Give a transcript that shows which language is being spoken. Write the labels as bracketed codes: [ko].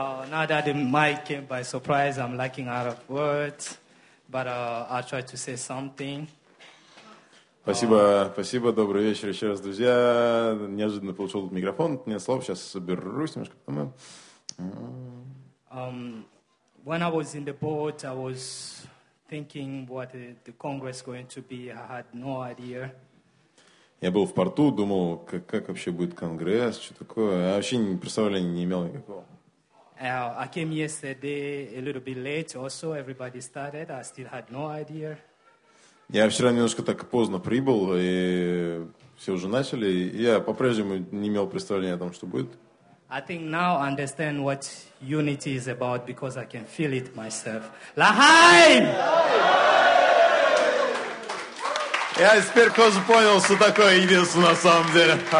[en] Now that the mic came by surprise, I'm lacking out of words, but I'll try to say something. [ru] Спасибо, спасибо, добрый вечер еще раз, друзья. Неожиданно получил этот микрофон, нет слов, сейчас соберусь немножко. [en] When I was in the boat, I was thinking what the Congress going to be. I had no idea. [ru] Я был в порту, думал, как вообще будет Конгресс, что такое. Я вообще не представляю, не имел никакого. [en] I came yesterday a little bit late also. Everybody started. I still had no idea. [ru] Я вчера немножко так поздно прибыл, и все уже начали. Я по-прежнему не имел представления о том, что будет. [en] I think now I understand what unity is about because I can feel it myself. [he] Lahaim! [ru] Я теперь тоже понял, что такое единство на самом деле.